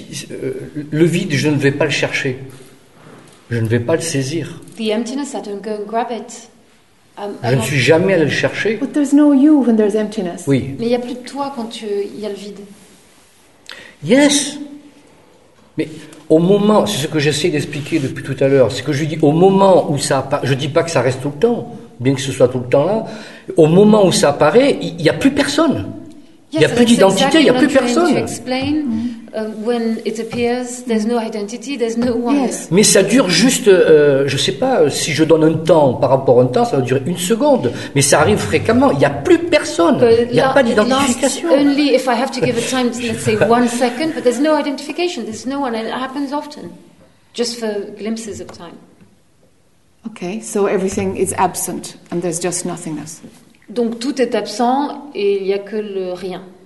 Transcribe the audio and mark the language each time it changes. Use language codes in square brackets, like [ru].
[fr] Le vide, je ne vais pas le chercher. Je ne vais pas le saisir. [en] The emptiness, I don't go and grab it. [fr] Je ne suis jamais allé le chercher. [en] But there's no you when there's emptiness. [fr] Oui. Mais il n'y a plus de toi quand il y a le vide. [en] Yes. [fr] Mais au moment, c'est ce que j'essaie d'expliquer depuis tout à l'heure, c'est que je dis au moment où ça apparaît, je ne dis pas que ça reste tout le temps, bien que ce soit tout le temps là, au moment où ça apparaît, il n'y a plus personne. Il n'y a plus d'identité, il n'y a plus personne. [en] When it appears, there's no identity, there's no one. Yes. [fr] Mais ça dure juste, je ne sais pas, si je donne un temps par rapport à un temps, ça va durer une seconde. Mais ça arrive fréquemment. Il n'y a plus personne. Il n'y a pas d'identification. [en] Only if I have to give a time, let's say one second, but there's no identification, there's no one. And it happens often, just for glimpses of time. Okay, so everything is absent and there's just nothingness. [fr] Donc tout est absent et il n'y a que le rien.